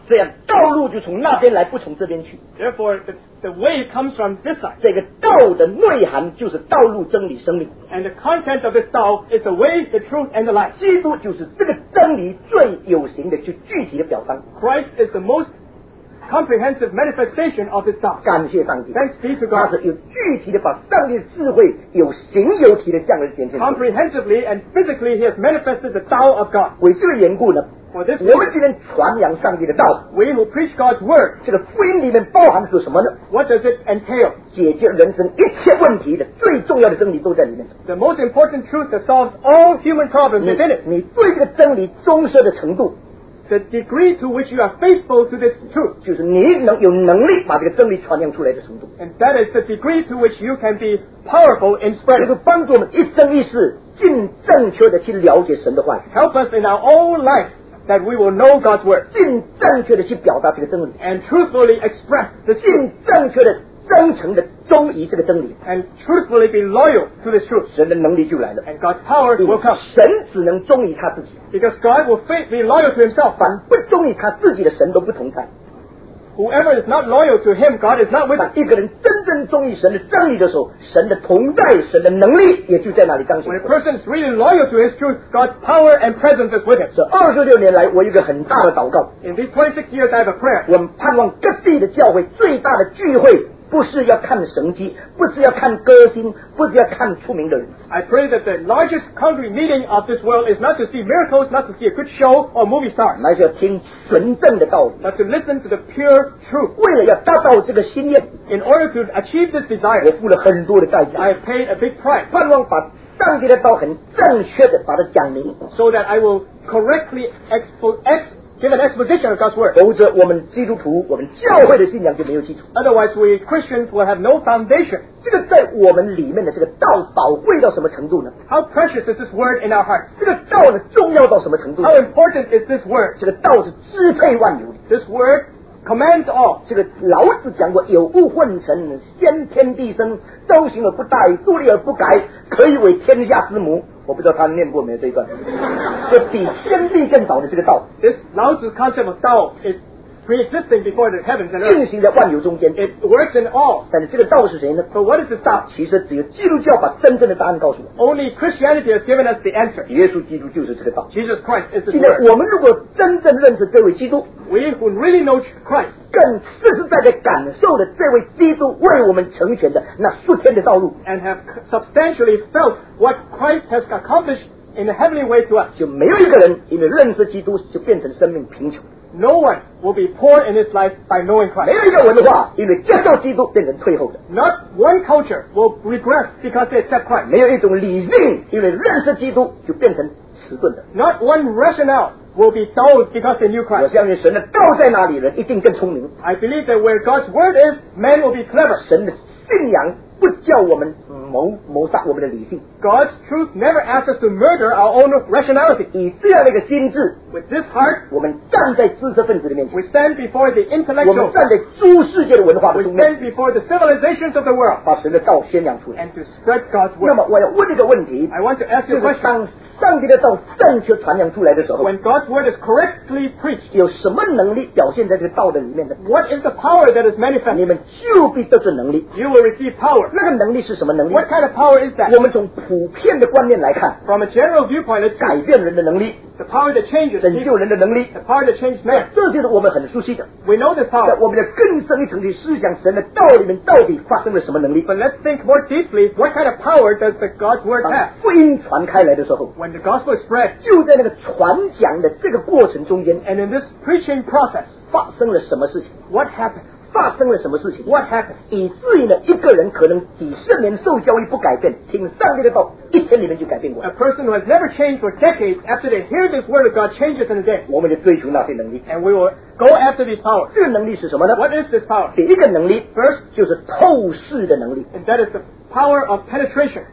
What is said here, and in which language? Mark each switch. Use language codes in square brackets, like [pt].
[zh] 这样道路就从那边来不从这边去 [en] Therefore the way comes from this side [zh] 这个道的内涵就是道路真理生命 [en] And the content of this 道 is the way, the truth, and the life [zh] 基督就是这个真理最有形的就具体的表彰 [en] Christ is the most comprehensive manifestation of this 道 [zh] 感谢上帝 [en] Thanks be to God [zh] 他是有具体的把上帝的智慧有形有体的向人显现 [en] Comprehensively and physically he has manifested the 道 of God [zh] 为这个缘故呢 [en] For this [zh] 我们今天传扬上帝的道 [en] We who preach God's word [zh] 这个福音里面包含着什么呢 [en] What does it entail [zh] 解决人生一切问题的最重要的真理都在里面 [en] The most important truth that solves all human problems is in it [zh] 你对这个真理忠实的程度 [en] The degree to which you are faithful to this truth, [zh] 就是你能有能力把这个真理传扬出来的程度。 [en] And that is the degree to which you can be powerful in spreading. [zh] 就是帮助我们一生一世尽正确的去了解神的话语。 [en] Help us in our own life that we will know God's word. [zh] 尽正确的去表达这个真理。 [en] And truthfully express the [zh] 尽正确的真诚的忠于这个真理。 [en] And truthfully be loyal to this truth. [zh] 神的能力就来了。 [en] And God's power will come. [zh] 神只能忠于他自己。 [en] Because God will be loyal to himself. [zh] 凡不忠于他自己的神都不同在。 [en] Whoever is not loyal to him, God is not with him. [zh] 一个人真正忠于神的真理的时候，神的同在，神的能力也就在那里彰显。 [en] When a person is really loyal to his truth, God's power and presence is with him. [zh] 这26年来，我有一个很大的祷告。 [en] In these 26 years, I have a prayer. [zh] 我们盼望各地的教会最大的聚会。不是要看神迹，不是要看歌星，不是要看出名的人。 [en] I pray that the largest congregation meeting of this world is not to see miracles, not to see a good show or movie star. [zh] 那是要听纯正的道理。 [en] But to listen to the pure truth. [zh] 为了要达到这个心愿 [en] ，In order to achieve this desire, [zh] 我付了很多的代价。 [en] I paid a big price. [zh] 盼望把上帝的道很正确的把它讲明 [en] ，So that I will correctly expose. give an exposition of God's word. [zh] 否则我们基督徒，我们教会的信仰就没有基础。 [en] Otherwise, we Christians will have no foundation. [zh] 这个在我们里面的这个道宝贵到什么程度呢？ [en] How precious is this word in our heart? [zh] 这个道的重要到什么程度？ [en] How important is this word? [zh] 这个道是支配万有的。 [en] This word commands all. [zh] 这个老子讲过，有物混成，先天地生，周行而不殆，独立而不改，可以为天下之母。我不知道他念过没有这一段，这比天地更早的这个道。 [en] This Lao's concept of Tao is pre-existing before the heavens and earth. [zh] 运行在万有中间。 [en] It works in all. [zh] 但是这个道是谁呢 [en] ？But what is this Tao? [zh] 其实只有基督教把真正的答案告诉我。 [en] Only Christianity has given us the answer. [zh] 耶稣基督就是这个道。 [en] Jesus Christ is the. [zh] 现在我们如果真正认识这位基督 [en] ，We who really know Christ. [zh] 更实实在在感受了这位基督为我们成全的那数天的道路 [en] ，And have substantially felt what Christ has accomplished in a heavenly way to us. [zh] 就没有一个人因为认识基督就变成生命贫穷。 [en] No one will be poor in his life by knowing Christ. [zh] 没有一个文化因为接受基督变成退后的。 [en] Not one culture will regress because they accept Christ. [zh] 没有一种理性因为认识基督就变成迟钝的。 [en] Not one rationale will be dulled because they knew Christ. [zh] 我相信神的道在哪里，人一定更聪明。 [en] I believe that where God's word is, man will be clever. [zh] 神的信仰不叫我们谋杀我们的理性。 [en] God's truth never asks us to murder our own rationality. [zh] 以这样的一个心智 [en] ，with this heart， [zh] 我们站在知识分子的面前。 [en] We stand before the intellectual. [zh] 我们站在诸世界的文化的中间。 [en] We stand before the civilizations of the world. [zh] 把神的道宣扬出来。 [en] And to spread God's word. [zh] 那么我要问一个问题。 [en] I want to ask you a question. [zh] 上帝的道正确传扬出来的时候 [en] ，When God's word is correctly preached， [zh] 有什么能力表现在这个道的里面的 [en] ？What is the power that is manifest？ [zh] 你们就必得着能力。 [en] You will receive power。 [zh] 那个能力是什么能力 [en] ？What kind of power is that？ [zh] 我们从普遍的观念来看 [en] ，From a general viewpoint， [zh] 改变人的能力 [en] ，The power that changes， [zh] 拯救人的能力 [en] ，The power that changes man， [zh] 这就是我们很熟悉的。 [en] We know this power。 [zh] 在我们的更深一层的思想，神的道里面到底发生了什么能力 [en] ？But let's think more deeply。 What kind of power does the God's word have？ [zh] 当福音传开来的时候 [en] ，When the gospel is spread， [zh] 就在那个传讲的这个过程中间 [en] ，And in this preaching process， [zh] 发生了什么事情 [en] ？What happened？ [zh] 发生了什么事情 [en] ？What happened？ [zh] 以至于呢，一个人可能几十年受教育不改变，听上帝的道，一天里面就改变过来。 [en] A person who has never changed for decades after they hear this word of God changes in a day。 [zh] 我们就追求那些能力。 [en] And we will go after these powers。 [zh] 这个能力是什么呢 [en] ？What is this power？ [zh] 第一个能力 [en] ，First [zh] 就是透视的能力。 [en] And that is the power of penetration。